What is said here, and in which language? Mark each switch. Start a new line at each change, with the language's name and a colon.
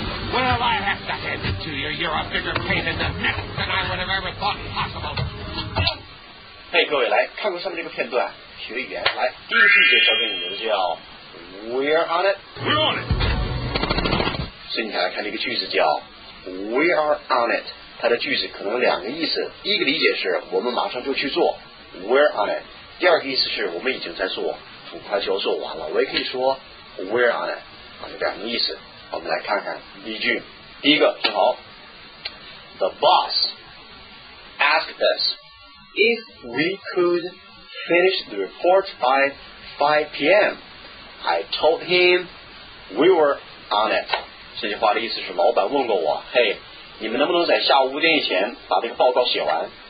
English: Well, I have to hand it to you. You're a bigger pain in the neck than I would have ever thought possible.
Chinese: Hey, 各位来看过上面这个片段，学语言来。第一个句子交给你们叫
English: We're on it. We're on it.
Chinese: 所以你再来看这个句子叫
English: We are on it.
Chinese: 它的句子可能两个意思，一个理解是我们马上就去做
English: We're on it.
Chinese: 第二个意思是我们已经在做，很快就要做完了。我也可以说
English: We're on it.
Chinese: 有两个意思。我们来看看例句。第一个，听好。
English: The boss asked us. If we could finish the report by 5 p.m., I told him we were on it.
Chinese: 这句话的意思是老板问过我，嘿，你们能不能在下午五点以前把这个报告写完？